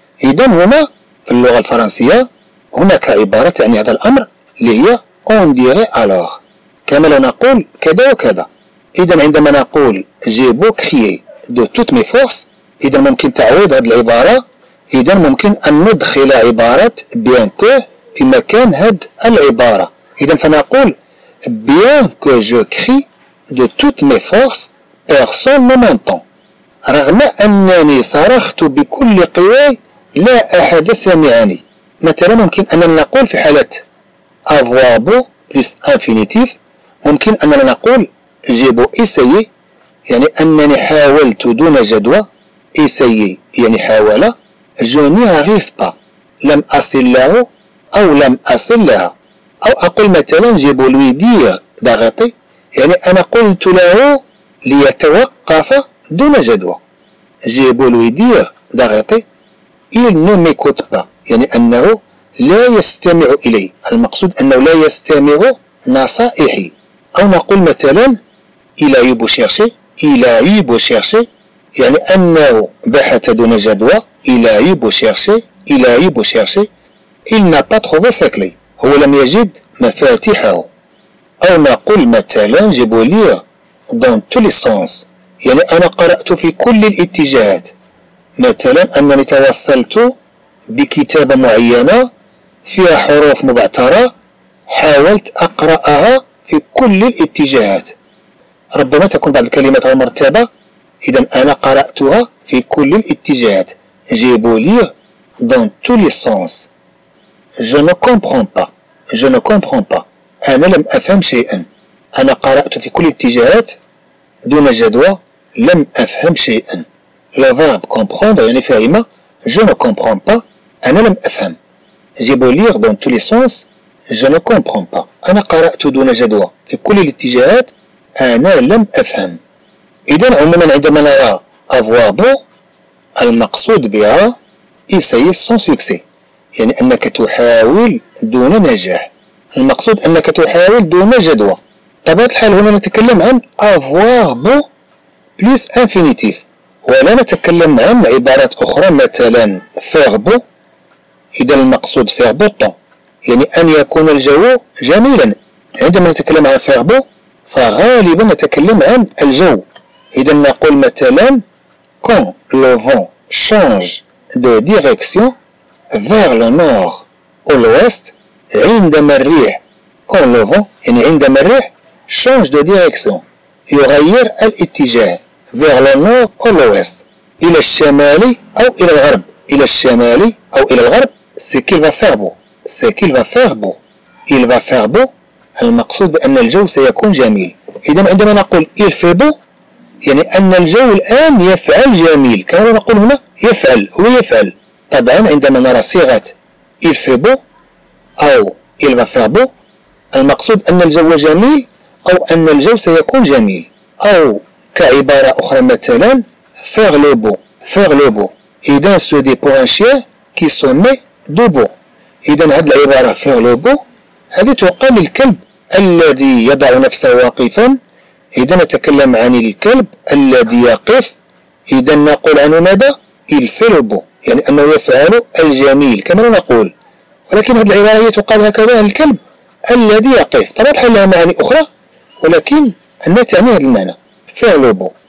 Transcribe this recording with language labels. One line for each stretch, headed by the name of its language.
Arabic: إذن هنا في اللغة الفرنسية هناك عبارة يعني هذا الأمر اللي هي
French: on dirait alors،
Arabic: كما لو نقول كذا وكذا. إذن عندما نقول
French: j'ai bouclé de toutes mes forces،
Arabic: إذن ممكن تعود هذه العبارة، إذن ممكن أن ندخل عبارة
French: bien que
Arabic: في مكان هذه العبارة. إذن فنقول
French: bien que je crie de toutes mes forces personne ne m'entend،
Arabic: رغم أنني صرخت بكل قواي لا أحد سمعني. مثلا ممكن أننا نقول في حالة avoir beau plus infinitif، ممكن أننا نقول
French: j'ai beau essayer،
Arabic: يعني أنني حاولت دون جدوى، essayer يعني حاول،
French: je n'y arrive pas،
Arabic: لم أصل له أو لم أصل لها. أو أقول مثلا
French: j'ai beau lui dire d'arrêter،
Arabic: يعني أنا قلت له ليتوقف دون جدوى.
French: j'ai beau lui dire d'arrêter il ne m'écoute pas،
Arabic: يعني أنه لا يستمع إلي، المقصود أنه لا يستمع نصائحي. أو نقول مثلا
French: il a eu beau chercher، il a eu beau chercher،
Arabic: يعني أنه بحث دون جدوى.
French: il a eu beau chercher، il a eu beau chercher il n'a pas trouvé sa clé،
Arabic: هو لم يجد مفاتيحه. أو نقول مثلا
French: j'ai beau lire dans tous les sens،
Arabic: يعني أنا قرأت في كل الاتجاهات. مثلا أنني توصلت بكتابة معينة فيها حروف مبعثرة، حاولت أقرأها في كل الاتجاهات. ربما تكون بعض الكلمات غير مرتبة، إذن أنا قرأتها في كل الاتجاهات.
French: j'ai beau lire dans tous les sens je ne comprends pas، je ne comprends pas،
Arabic: أنا لم أفهم شيئا. أنا قرأت في كل الاتجاهات دون جدوى، لم أفهم شيئا.
French: le verbe comprendre
Arabic: يعني فهم،
French: je ne comprends pas
Arabic: أنا لم أفهم.
French: j'ai beau lire dans tous les sens je ne comprends pas،
Arabic: أنا قرأت دون جدوى في كل الاتجاهات، أنا لم أفهم. إذن عموما عندما نرى avoir beau المقصود بها
French: essayer sans succès،
Arabic: يعني أنك تحاول دون نجاح، المقصود أنك تحاول دون جدوى. طبعا الحال هنا نتكلم عن avoir beau plus infinitif، ولا نتكلم عن عبارات أخرى مثلا faire beau، إذن المقصود
French: faire beau temps،
Arabic: يعني أن يكون الجو جميلا. عندما نتكلم عن faire beau فغالبا نتكلم عن الجو. إذا نقول مثلا
French: quand le vent change de direction vers le nord ou l'ouest،
Arabic: عندما الريح
French: quand le vent
Arabic: يعني عندما الريح
French: change de direction
Arabic: يغير الاتجاه
French: vers le nord ou l'ouest
Arabic: إلى الشمال أو إلى الغرب،
French: إلى الشمال أو إلى الغرب c'est qu'il va faire beau، c'est qu'il va faire beau، il va faire beau
Arabic: المقصود بأن الجو سيكون جميل. إذا عندما نقول
French: il fait beau
Arabic: يعني أن الجو الآن يفعل جميل، كما نقول هنا يفعل، هو يفعل. طبعا عندما نرى صيغة
French: il fait beau
Arabic: أو
French: il va faire beau
Arabic: المقصود أن الجو جميل أو أن الجو سيكون جميل.
French: أو كعبارة أخرى مثلا faire le beau، faire le beau إذا ce n'est pas un chien qui se met debout،
Arabic: إذا هذه العبارة
French: faire le beau
Arabic: هذه تقال للكلب الذي يضع نفسه واقفا. إذا نتكلم عن الكلب الذي يقف، إذا نقول عنه ماذا؟
French: il fait le beau،
Arabic: يعني أنه يفعل الجميل كما نقول. ولكن هذه العبارة هي تقال هكذا الكلب الذي يقف، طبعا لها معاني أخرى ولكن أنها تعني هذا المعنى faire le beau.